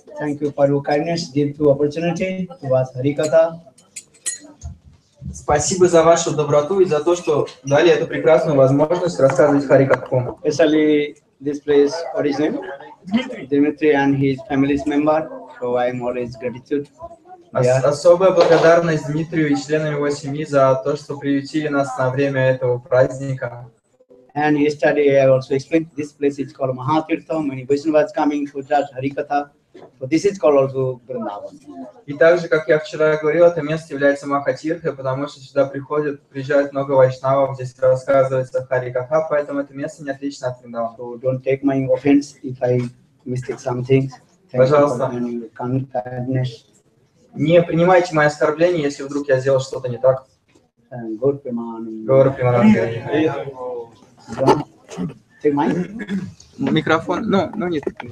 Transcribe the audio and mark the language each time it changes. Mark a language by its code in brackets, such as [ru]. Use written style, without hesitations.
[en] Thank you for your kindness, give you opportunity to us Harikatha. [ru] Спасибо за вашу доброту и за то, что дали эту прекрасную возможность рассказывать Харикатху. [en] Actually, this place origin. Dmitry and his family's member, so I'm always gratitude. [ru] Особая благодарность Дмитрию и членам его семьи за то, что приютили нас на время этого праздника. [en] And yesterday I also explained this place is called Mahatirtha. Many Vaishnavas coming to judge Harikatha. So this is called also Vrindavan. [ru] И также, как я вчера говорил, это место является Махатирха, потому что сюда приезжают много вайшнавов, здесь рассказывается Харикатха, поэтому это место не отлично от Vrindavan. [en] So don't take my offense if I mistake some things. [ru] Пожалуйста. Не принимайте мои оскорбления, если вдруг я сделал что-то не так. Гуру Примарангани. Гуру Примарангани. [en] Take mine. [ru] Микрофон. Ну нет.